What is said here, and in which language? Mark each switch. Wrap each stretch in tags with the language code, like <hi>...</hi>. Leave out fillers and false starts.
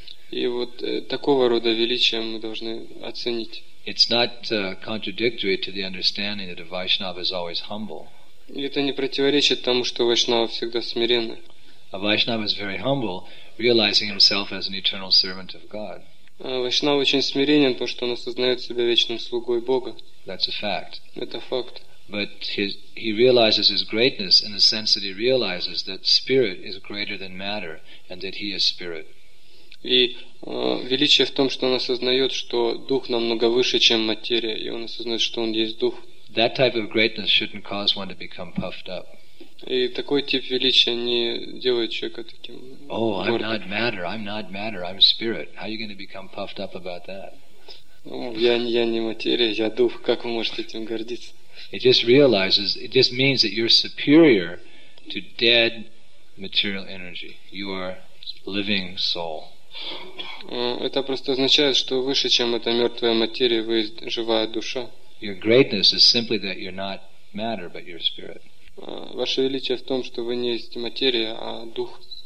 <ru>И вот такого рода величие мы должны оценить.</ru> <en>It's not contradictory to the understanding that a Vaishnava is always humble.</en> <ru>Это не противоречит тому, что Вайшнава всегда смиренный.</ru> <en>A Vaishnava is very humble, realizing himself as an eternal servant of God.</en> <ru>Вайшнава очень смиренен, потому что он осознает себя вечным слугой Бога.</ru> <en>That's a fact.</en> <ru>Это факт.</ru> <en>But he realizes his greatness in the sense that he realizes that spirit is greater than matter and that he is spirit.</en> <ru>И величие в том, что он осознает, что дух намного выше, чем материя, и он осознает, что он есть дух.</ru> <en>That type of greatness shouldn't cause one to become puffed up.</en> <ru>И такой тип величия не делает человека таким.</ru> <en>Oh, I'm not matter. I'm not matter. I'm spirit. How are you going to become puffed up about that?</en> <ru>Я не материя, я дух. Как вы можете этим гордиться?</ru> <en>It just realizes, it just means that you're superior to dead material energy. You are living soul.</en> <ru>Это просто означает, что выше, чем эта мертвая материя, вы живая душа.</ru> <en>Your greatness is simply that you're not matter, but you're spirit.</en> <ru>Ваше величие в том, что вы не есть материя, а дух.</ru>